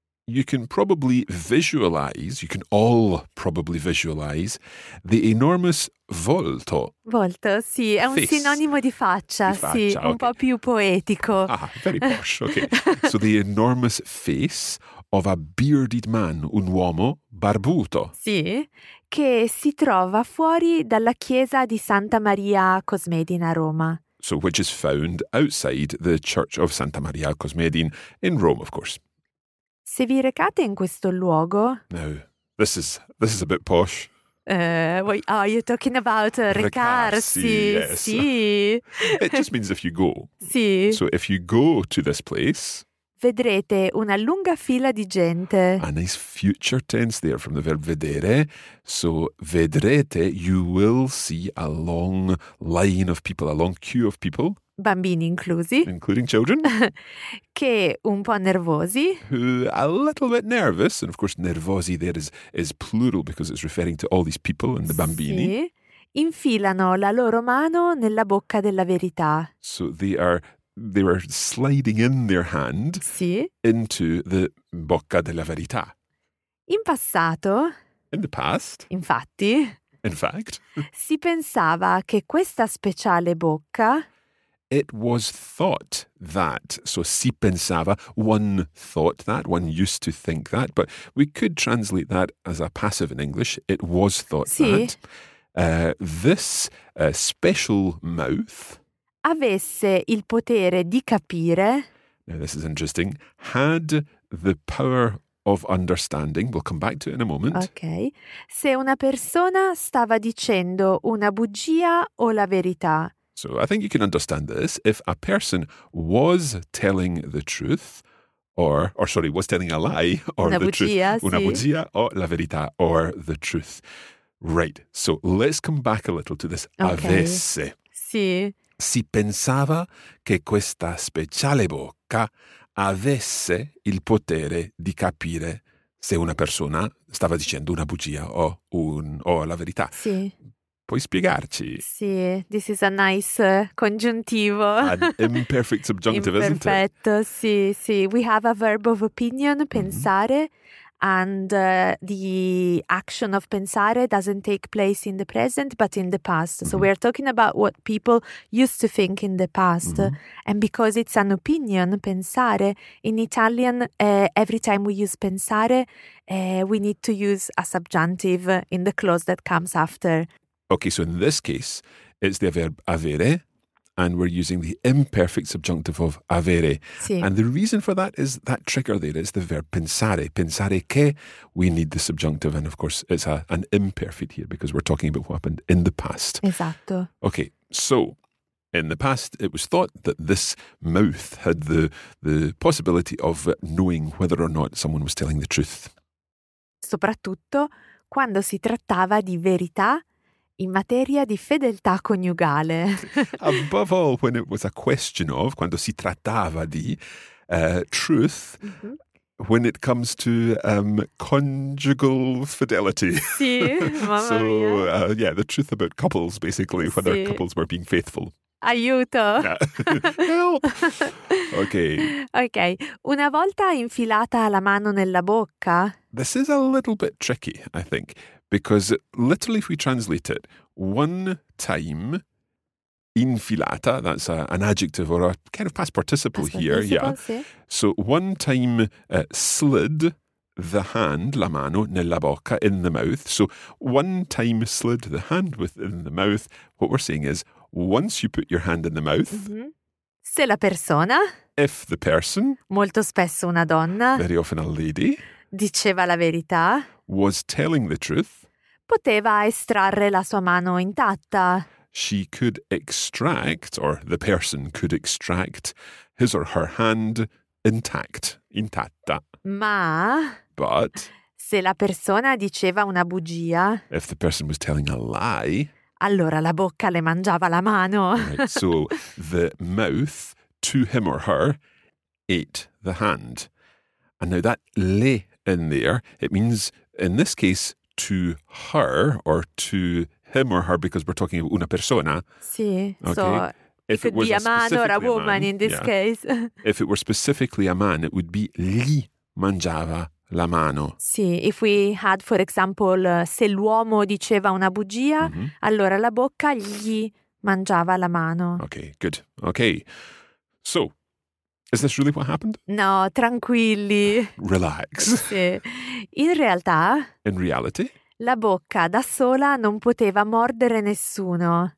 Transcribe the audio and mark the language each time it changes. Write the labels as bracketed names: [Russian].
[English] You can probably visualize, you can all probably visualize the enormous volto. [Italian] Volto, sì, è un [English] face. [Italian] Sinonimo di faccia, di faccia, sì, [English] okay. [Italian] Un po' più poetico. [English] Ah, very posh, okay. So the enormous face of a bearded man, [Italian] un uomo barbuto. Sì, che si trova fuori dalla chiesa di Santa Maria Cosmedin a Roma. [English] So which is found outside the church of Santa Maria Cosmedin in Rome, of course. [Italian] Se vi recate in questo luogo... [English] Now, this is a bit posh. Are you talking about recarsi? Recarsi, yes. [Italian] Sì. [English] It just means if you go. [Italian] Sì. [English] So if you go to this place... [Italian] Vedrete una lunga fila di gente. [English] A nice future tense there from the verb vedere. So vedrete, you will see a long line of people, a long queue of people. [Italian] Bambini inclusi. [English] Including children. [Italian] Che un po' nervosi. [English] Who a little bit nervous. And of course nervosi there is plural because it's referring to all these people and the bambini. [Italian] Sì. Infilano la loro mano nella bocca della verità. [English] So they were sliding in their hand. [Italian] Sì. [English] Into the [Italian] bocca della verità. In passato. [English] In the past. [Italian] Infatti. [English] In fact. [Italian] Si pensava che questa speciale bocca... [English] It was thought that, so si pensava, one thought that, one used to think that, but we could translate that as a passive in English, it was thought [Italian] sì. [English] That, this special mouth [Italian] avesse il potere di capire, [English] now this is interesting, had the power of understanding, we'll come back to it in a moment. [Italian] Okay, se una persona stava dicendo una bugia o la verità. [English] So I think you can understand this. If a person was telling the truth or was telling a lie or [Italian] una [English] the [Italian] bugia, [English] truth. [Italian] Sì. Una bugia o la verità [English] or the truth. Right. So let's come back a little to this. Okay. [Italian] Avesse. Sì. Si pensava che questa speciale bocca avesse il potere di capire se una persona stava dicendo una bugia o la verità. Sì. Puoi spiegarci? [English] Sì, this is a nice congiuntivo. An imperfect subjunctive, isn't it? [Italian] Imperfetto, sì, sì. [English] We have a verb of opinion, pensare, mm-hmm. And the action of pensare doesn't take place in the present, but in the past. So mm-hmm. We are talking about what people used to think in the past. Mm-hmm. And because it's an opinion, pensare, in Italian, every time we use pensare, we need to use a subjunctive in the clause that comes after. Okay, so in this case, it's the verb avere, and we're using the imperfect subjunctive of avere. Sì. And the reason for that is that trigger there is the verb pensare. Pensare che we need the subjunctive, and of course it's an imperfect here because we're talking about what happened in the past. [Italian] Esatto. [English] Okay, so In the past, it was thought that this mouth had the possibility of knowing whether or not someone was telling the truth. [Italian] Soprattutto quando si trattava di verità in materia di fedeltà coniugale. [English] Above all, when it was a question of, [Italian] quando si trattava di [English] truth, mm-hmm. when it comes to conjugal fidelity. [Italian] Sì, mamma [English] so, [Italian] mia. [English] Yeah, the truth about couples, basically, whether sì. couples were being faithful. [Italian] Aiuto! [English] Help! Okay. Okay. [Italian] Una volta infilata la mano nella bocca... [English] This is a little bit tricky, I think, because literally if we translate it, one time, infilata, that's an adjective or a kind of past participle past here, participle, yeah. [Italian] Sì. [English] So one time slid the hand, la mano, nella bocca, in the mouth. So one time slid the hand within the mouth, what we're saying is, once you put your hand in the mouth, [Italian] mm-hmm. se la persona, [English] if the person, [Italian] molto spesso una donna, [English] very often a lady, [Italian] diceva la verità, [English] was telling the truth, [Italian] poteva estrarre la sua mano intatta. [English] She could extract, or the person could extract, his or her hand intact, intatta. [Italian] Ma, [English] but, [Italian] se la persona diceva una bugia, [English] if the person was telling a lie, [Italian] allora la bocca le mangiava la mano. [English] Right, so the mouth, to him or her, ate the hand. And now that le in there, it means, in this case, to her or to him or her, because we're talking about una persona. Sì, okay. So if it could be a man or a woman in this yeah. case. If it were specifically a man, it would be [Italian] gli mangiava la mano. Sì, [English] if we had, for example, [Italian] se l'uomo diceva una bugia, mm-hmm. allora la bocca gli mangiava la mano. [English] Okay, good. Okay. So, is this really what happened? [Italian] No, tranquilli. [English] Relax. [Italian] Sì. [English] In reality, [Italian] la bocca da sola non poteva mordere nessuno.